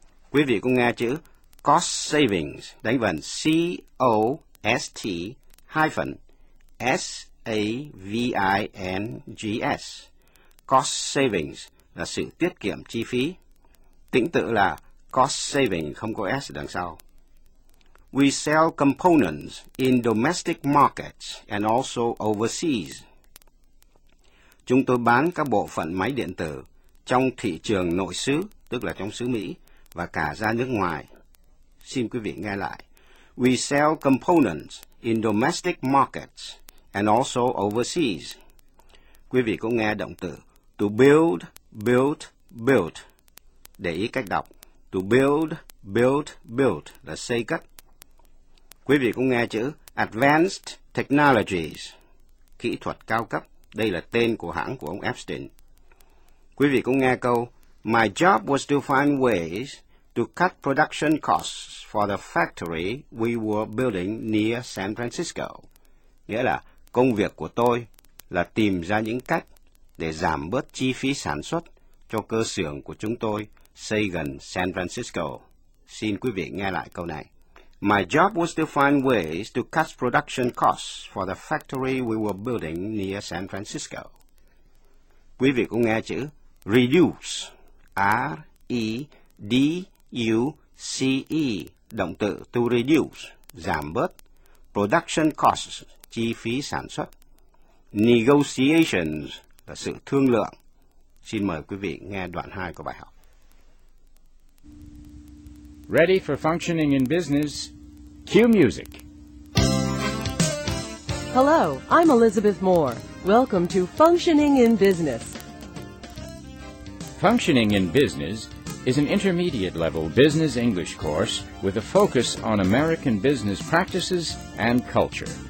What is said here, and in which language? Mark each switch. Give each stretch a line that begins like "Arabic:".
Vietnamese: Quý vị cũng nghe chữ Cost Savings, đánh vần C-O-S-T hyphen S A-V-I-N-G-S. Cost savings là sự tiết kiệm chi phí. Tĩnh tự là cost saving, không có S đằng sau.
English: We sell components in domestic markets and also overseas.
Vietnamese: Chúng tôi bán các bộ phận máy điện tử trong thị trường nội xứ, tức là trong xứ Mỹ, và cả ra nước ngoài. Xin quý vị nghe lại.
English: We sell components in domestic markets and also overseas.
Vietnamese: Quý vị cũng nghe động từ to build, built, built. Để ý cách đọc, to build, built, built là xây cất. Quý vị cũng nghe chữ advanced technologies, kỹ thuật cao cấp. Đây là tên của hãng của ông Epstein. Quý vị cũng nghe câu
English: my job was to find ways to cut production costs for the factory we were building near San Francisco.
Vietnamese: nghĩa là công việc của tôi là tìm ra những cách để giảm bớt chi phí sản xuất cho cơ xưởng của chúng tôi xây gần San Francisco. Xin quý vị nghe lại câu này.
English: My job was to find ways to cut production costs for the factory we were building near San Francisco.
Vietnamese: Quý vị cũng nghe chữ reduce, R-E-D-U-C-E, động từ to reduce, giảm bớt, production costs, chi phí sản xuất, negotiations, là sự thương lượng. Xin mời quý vị nghe đoạn 2 của bài học.
English: Ready for functioning in business? Cue music. Hello, I'm Elizabeth Moore. Welcome to Functioning in Business. Functioning in Business is an intermediate level business English course with a focus on American business practices and culture.